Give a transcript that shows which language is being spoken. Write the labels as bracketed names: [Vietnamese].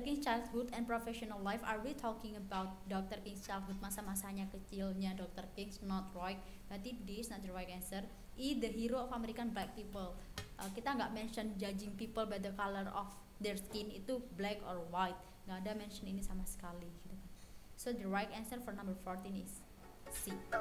[English] King's childhood and professional life, are we talking about Dr. King's childhood, [Indonesian] masa-masanya kecilnya Dr. King's, [English] not right. [Indonesian] Berarti [English] this is not the right answer. E, the hero of American black people. [Indonesian] Kita enggak mention [English] judging people by the color of their skin, [Indonesian] itu [English] black or white. [Indonesian] Nggak ada mention ini sama sekali gitu. [English] So the right answer for number 14 is C.